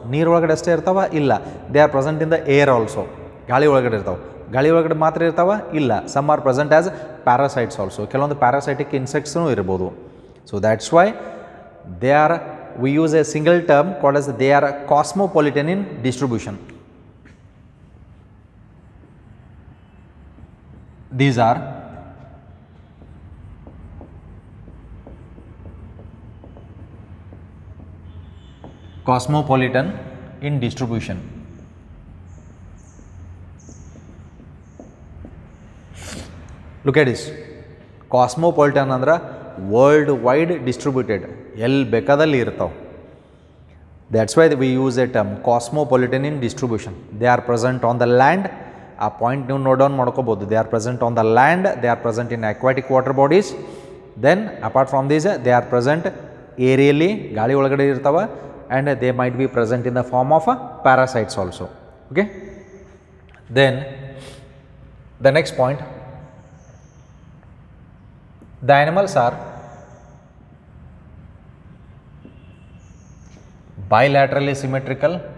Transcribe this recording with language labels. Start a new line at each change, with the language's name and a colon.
Kannada: ನೀರು ಒಳಗಡೆ ಅಷ್ಟೇ ಇರ್ತಾವ ಇಲ್ಲ,
English: They are present in the air also.
Kannada: ಗಾಳಿ ಒಳಗಡೆ ಇರ್ತಾವೆ, ಗಾಳಿ ಒಳಗಡೆ ಮಾತ್ರ ಇರ್ತಾವ ಇಲ್ಲ,
English: Some are present as parasites also.
Kannada: ಕೆಲವೊಂದು ಪ್ಯಾರಾಸೈಟಿಕ್ ಇನ್ಸೆಕ್ಟ್ಸ್ನೂ ಇರ್ಬೋದು.
English: So that's why they are, we use a single term called as they are cosmopolitan in distribution. These are cosmopolitan in distribution. Look at this. Cosmopolitan andra worldwide distributed.
Kannada: Yel bekadalli irtav.
English: That's why we use a term cosmopolitan in distribution. They are present on the land.
Kannada: ಆ point ನೀವು note down ಮಾಡ್ಕೋಬೋದು.
English: they are present on the land, they are present in aquatic water bodies, then apart from these they are present ಏರಿಯಲ್ಲಿ,
Kannada: ಗಾಳಿ ಒಳಗಡೆ ಇರ್ತಾವ,
English: And they might be present in the form of parasites also. Okay, then the next point, the animals are bilaterally symmetrical